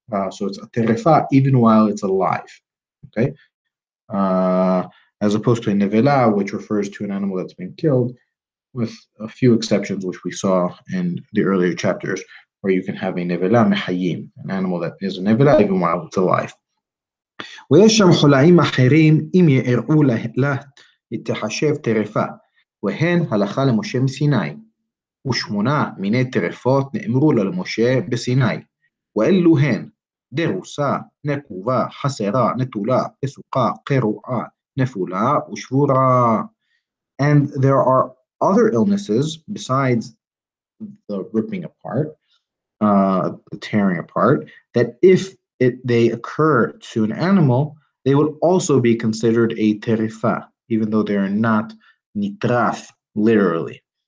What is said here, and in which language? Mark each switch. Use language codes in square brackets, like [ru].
[en] So it's a terefa even while it's alive, okay? As opposed to a nevela, which refers to an animal that's been killed, with a few exceptions, which we saw in the earlier chapters, where you can have a nevela mehayim, an animal that is a nevela even while it's alive. [he] ויש שם חולאים אחרים אם יראו לה תחשב טרפה, והן הלכה למשה מסיני. ושמונה מיני טרפות נאמרו לה למשה בסיני. ואלו הן דרוסה, נקובה, חסרה, נטולה, פסוקה, קרועה, נפולה ושבורה. [en] And there are other illnesses besides the ripping apart, the tearing apart, that if they occur to an animal, they will also be considered a terifa, even though they are not nitraf, literally.